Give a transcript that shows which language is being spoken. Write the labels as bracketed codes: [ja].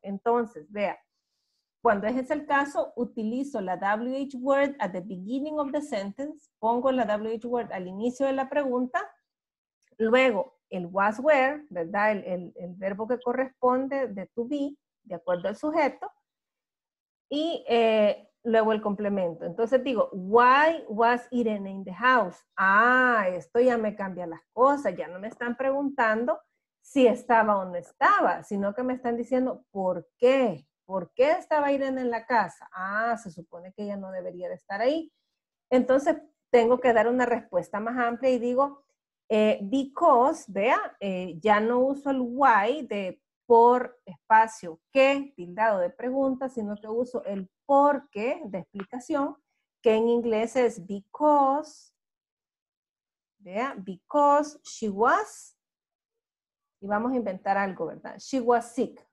[es] Entonces, vea, cuando ese es el caso, utilizo la WH word [en] at the beginning of the sentence, [es] pongo la WH word al inicio de la pregunta, luego el was where, ¿verdad? El verbo que corresponde de to be, de acuerdo al sujeto, y luego el complemento. Entonces digo, [en] why was Irene in the house? [es] Ah, esto ya me cambia las cosas, ya no me están preguntando si estaba o no estaba, sino que me están diciendo por qué, ¿Por qué estaba Irene en la casa? Ah, se supone que ella no debería de estar ahí. Entonces, tengo que dar una respuesta más amplia y digo, because, vea, ya no uso el why de por espacio que, tildado de pregunta, sino que uso el por qué de explicación, que en inglés es because, vea, [en] because she was, [es] y vamos a inventar algo, ¿verdad? [en] She was sick.